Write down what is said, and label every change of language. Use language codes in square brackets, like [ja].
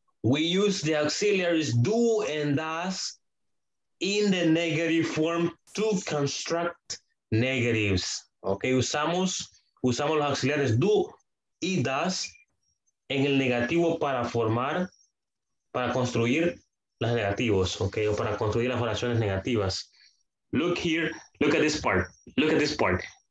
[en] We use the auxiliaries do and does in the negative form to construct negatives. [es] Okay, usamos los auxiliares do y does en el negativo para formar, para construir las negativos, okay, o para construir las oraciones negativas. [en] Look here, look at this part, look at this part.